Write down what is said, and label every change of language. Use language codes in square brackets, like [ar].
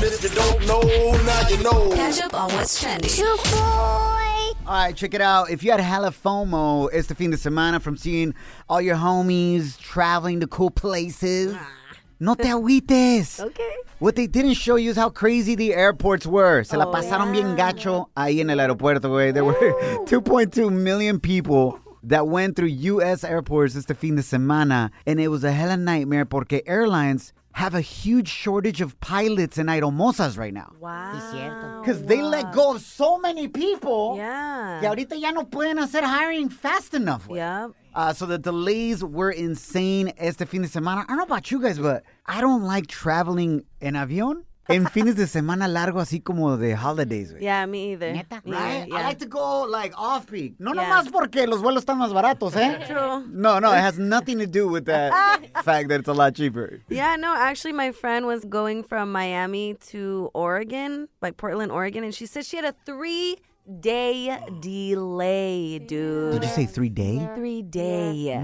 [en] And if you don't know, now you know. Catch up on what's trending. Your boy. All right, check it out. If you had hella FOMO, it's the [es] fin de semana [en] from seeing all your homies traveling to cool places. [es] No te agüites. [en] Okay. What they didn't show you is how crazy the airports were. [es] Se la pasaron bien gacho ahí en el aeropuerto, güey. [en] There were 2.2 million people that went through U.S. airports [es] este fin de semana. [en] And it was a hella nightmare [es] porque [en] airlines have a huge shortage of pilots and [es] aeromosas [en] right now. Wow. Because they let go of so many people. Yeah. [es] Que ahorita ya no pueden hacer [en] hiring fast enough. Yep. Yeah. So the delays were insane [es] este fin de semana. [en] I don't know about you guys, but I don't like traveling [es] en avión en fines de semana largo así como de [en] holidays. Right? Yeah, me either. [es] ¿Neta? [en] Right? Yeah, yeah. I like to go like off peak. [es] No nomás porque los vuelos están más baratos, eh? [en] True. No, it has nothing to do with that fact that it's a lot cheaper. Yeah, no, actually my friend was going from Miami to Oregon, like Portland, Oregon, and she said she had a 3-day delay, dude. Did you say 3-day? 3-day.